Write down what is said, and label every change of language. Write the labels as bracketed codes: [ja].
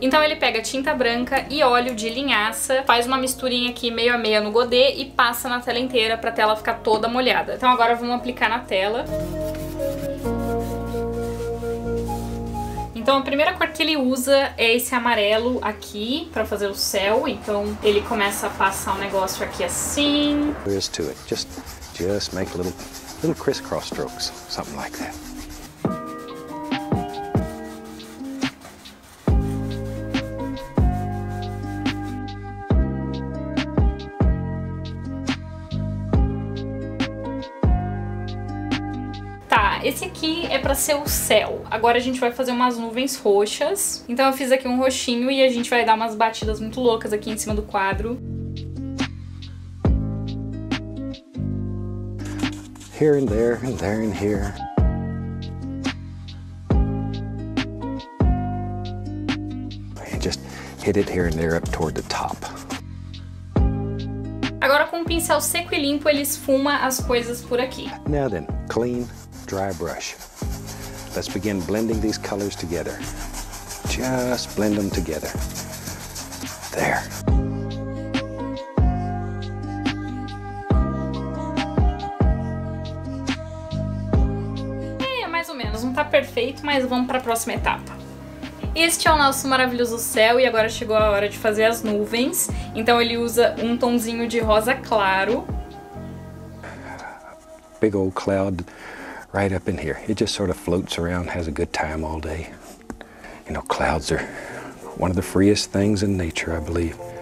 [pt] Então ele pega tinta branca e óleo de linhaça, faz uma misturinha aqui meio a meio no godê e passa na tela inteira pra tela ficar toda molhada. Então agora vamos aplicar na tela. Então a primeira cor que ele usa é esse amarelo aqui pra fazer o céu, então ele começa a passar um negócio aqui assim. [en] Just make little crisscross strokes, something like that. [pt] Tá, esse aqui é pra ser o céu. Agora a gente vai fazer umas nuvens roxas. Então eu fiz aqui um roxinho e a gente vai dar umas batidas muito loucas aqui em cima do quadro. [en] Here and there, and there and here. And just hit it here and there up toward the top. [pt] Agora com o pincel seco e limpo, ele esfuma as coisas por aqui. [en] Now then, clean, dry brush. Let's begin blending these colors together. Just blend them together. There. [pt] É, mais ou menos. Não tá perfeito, mas vamos pra próxima etapa. Este é o nosso maravilhoso céu e agora chegou a hora de fazer as nuvens. Então ele usa um tonzinho de rosa claro. [en] Big old cloud right up in here. It just sort of floats around, has a good time all day. You know, clouds are one of the freest things in nature, I believe.